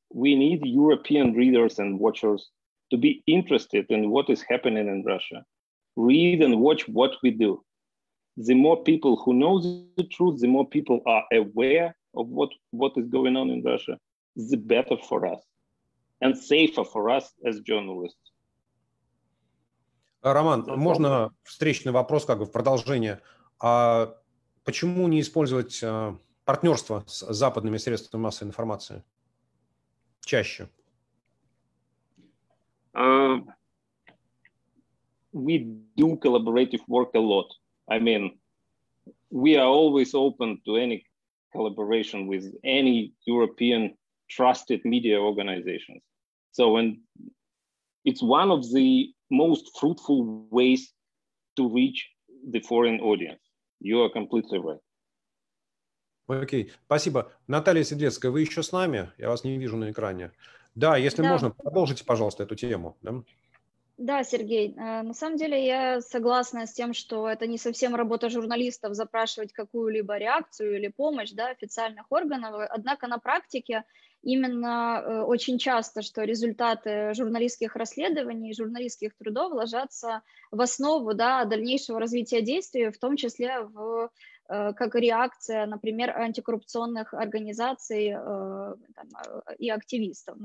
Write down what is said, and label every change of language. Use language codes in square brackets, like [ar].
[en] We need European readers and watchers to be interested in what is happening in Russia. Read and watch what we do. The more people who know the truth, the more people are aware of what is going on in Russia, the better for us and safer for us as journalists. [ru] Роман, можно встречный вопрос, как бы в продолжение. А почему не использовать партнерство с западными средствами массовой информации чаще? [en] We do collaborative work a lot. I mean, we are always open to any collaboration with any European trusted media organizations. So, and it's one of the most fruitful ways to reach the foreign audience. You are completely right. [ru] Окей, спасибо. Наталья Седлецкая, вы еще с нами? Я вас не вижу на экране. Да, если можно, продолжите, пожалуйста, эту тему. Да? Да, Сергей, на самом деле я согласна с тем, что это не совсем работа журналистов запрашивать какую-либо реакцию или помощь, да, официальных органов, однако на практике именно очень часто, что результаты журналистских расследований, журналистских трудов ложатся в основу, да, дальнейшего развития действий, в том числе в, как реакция, например, антикоррупционных организаций и активистов.